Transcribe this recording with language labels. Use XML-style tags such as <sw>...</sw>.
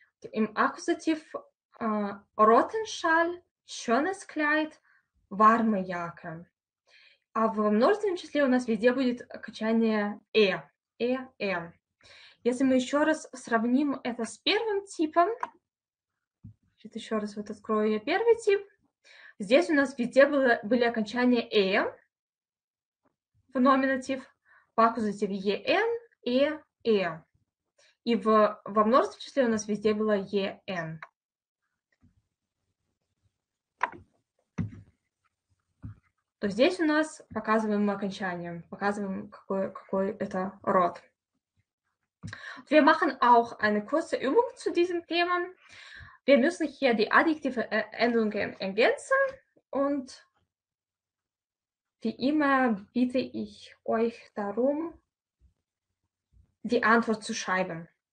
<de>Im Akkusativ Rotenschal, schönes Kleid, warme Jacke. Aber im</de> <ru>множественном числе у нас везде будет окончание e, e. Если мы еще раз сравним это с первым типом, сейчас еще раз вот открою я первый тип. Здесь у нас везде были окончания e в номинатив, в аккузативе en, e. И во множественном числе у нас везде было ен. То здесь у нас показываем окончание, показываем, какой это род.</ru> <de>Wir machen auch eine kurze Übung zu diesem Thema. Wir müssen hier die additive Endungen ergänzen. Und wie immer bitte ich euch darum, die Antwort zu schreiben.</de>